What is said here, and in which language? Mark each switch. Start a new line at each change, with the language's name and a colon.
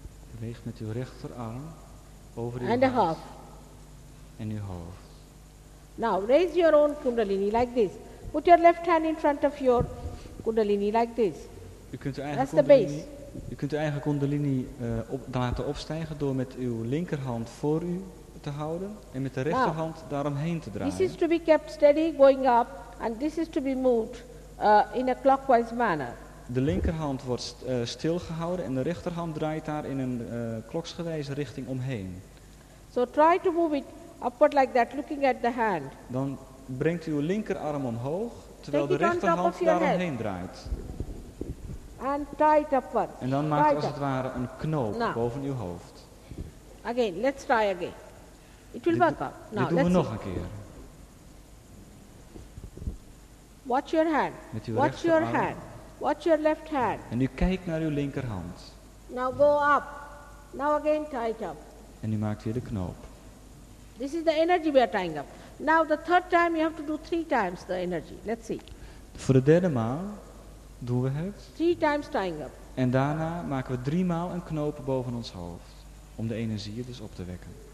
Dutch: Beweeg met uw rechterarm over uw
English: hoofd. And a half.
Dutch: En uw hoofd.
English: Now raise your own kundalini like this. Put your left hand in front of your kundalini like this. That's the base.
Dutch: U kunt uw eigen kundalini laten opstijgen door met uw linkerhand voor u te houden en met de rechterhand daaromheen te draaien.
English: This is to be kept steady going up and this is to be moved in a clockwise manner.
Dutch: De linkerhand wordt stilgehouden en de rechterhand draait daar in een kloksgewijze richting omheen.
English: So try to move it upward like that, looking at the hand.
Dutch: Dan brengt u uw linkerarm omhoog terwijl de rechterhand daaromheen draait.
English: And tie it upward.
Dutch: En dan maakt als het ware een knoop boven uw hoofd.
English: Again, let's try again. It will work out. Now,
Dutch: dit doen
English: let's
Dutch: we nog
English: see.
Dutch: Een keer.
English: Watch your hand.
Dutch: Met uw
English: watch your hand. Watch your left hand.
Dutch: En u kijkt naar uw linkerhand.
English: Now go up. Now again tie it up.
Dutch: En u maakt weer de knoop.
English: This is the energy we are tying up. Now the third time you have to do 3 times the energy. Let's see.
Dutch: Voor de derde maal doen we het.
English: 3 times tying up.
Dutch: En daarna maken we 3 maal een knoop boven ons hoofd. Om de energie dus op te wekken.